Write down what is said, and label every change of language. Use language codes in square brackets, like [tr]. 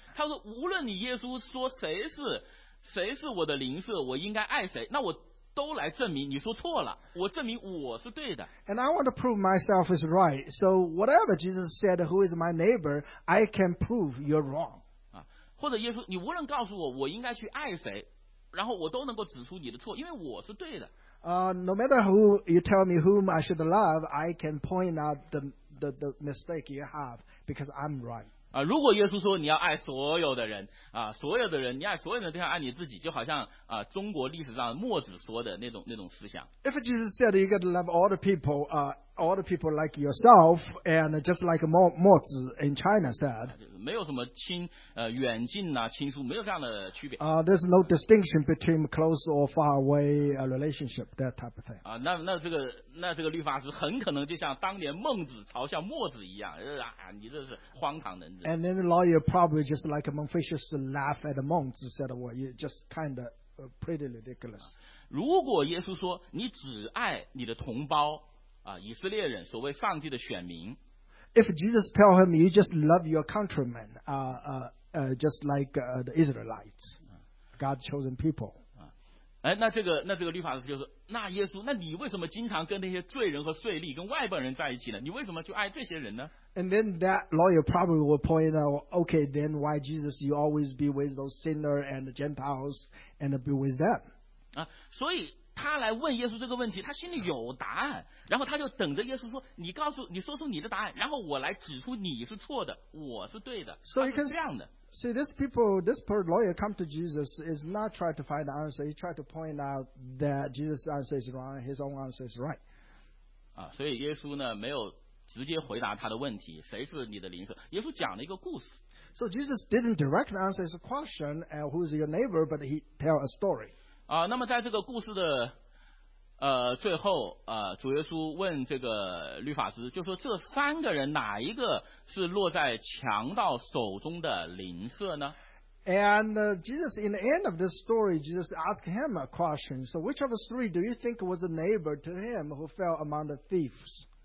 [zh] 他说，无论你耶稣说谁是我的邻舍，我应该爱谁，那我都来证明你说错了，我证明我是对的。 [en] And I want to prove myself is right. So whatever Jesus said, who is my neighbor, I can prove you're wrong. [zh] 啊，或者耶稣，你无论告诉我我应该去爱谁，然后我都能够指出你的错，因为我是对的。 [en] No matter who you tell me whom I should love, I can point out the mistake you have because I'm right. [zh] 啊，如果耶稣说你要爱所有的人啊，所有的人，你爱所有的人都要爱你自己，就好像啊，中国历史上墨子说的那种思想。 [en] If Jesus said you got to love all the people, all the people like yourself, and just like 墨子 in China said, [zh] 没有什么亲远近呐、啊，亲疏没有这样的区别。 [en] There's no distinction between close or far away a relationship, that type of thing. [zh] 啊，那这个律法是很可能就像当年孟子嘲笑墨子一样，啊，你这是荒唐的。 [en] And then the lawyer probably just like Confucius laugh at the monks, said, well, you're just kind of pretty ridiculous. [zh] 如果耶稣说你只爱你的同胞啊，以色列人，所谓上帝的选民。 [en] If Jesus tell him you just love your countrymen, just like the Israelites, God's chosen people. [zh] 哎，那这个律法师就是，那耶稣，那你为什么经常跟那些罪人和税吏跟外邦人在一起呢？你为什么就爱这些人呢？ [en] And then that lawyer probably will point out, okay, then why Jesus you always be with those sinners and the Gentiles and be with them? [zh] 啊，所以他来问耶稣这个问题，他心里有答案，然后他就等着耶稣说，你告诉你说出你的答案，然后我来指出你是错的，我是对的，所以是这样的。 [en] See, this people, this poor lawyer come to Jesus is not trying to find the answer. He tried to point out that Jesus' answer is wrong, his own answer is right. [zh] 啊，所以耶稣呢没有直接回答他的问题，谁是你的邻舍？耶稣讲了一个故事。 [en] So Jesus didn't directly answer his question, who is your neighbor, but he tell a story. [zh] 啊，那么在这个故事的最后主耶稣问这个律法师，就说这三个人哪一个是落在强盗手中的邻舍呢？ [en] And Jesus in the end of this story, Jesus asked him a question. So which of the three do you think was the neighbor to him who fell among the thieves?